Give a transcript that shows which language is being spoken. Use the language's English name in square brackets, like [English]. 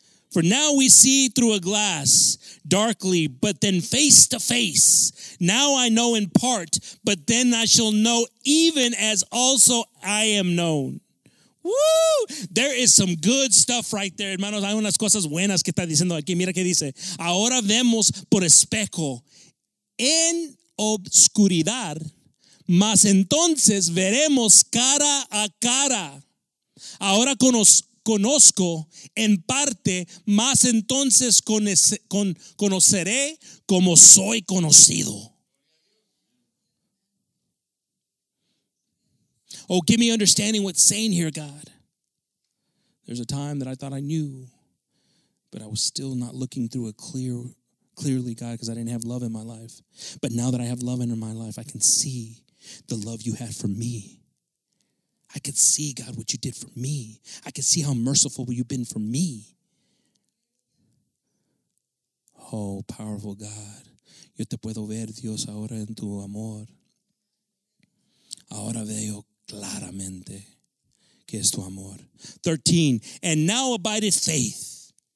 [English] For now we see through a glass, darkly, but then face to face. Now I know in part, but then I shall know even as also I am known. Woo! There is some good stuff right there, hermanos. [Spanish] Hay unas cosas buenas que está diciendo aquí. Mira que dice. Ahora vemos por espejo en obscuridad, mas entonces veremos cara a cara. Ahora conozco en parte, más entonces conoceré como soy conocido. [English] Oh, give me understanding what's saying here, God. There's a time that I thought I knew, but I was still not looking through it clearly, God, because I didn't have love in my life. But now that I have love in my life, I can see the love you had for me. I could see, God, what you did for me. I could see how merciful you've been for me. Oh, powerful God. [Spanish] Yo te puedo ver, Dios, ahora en tu amor. Ahora veo claramente que es tu amor. 13. [English] And now abideth faith.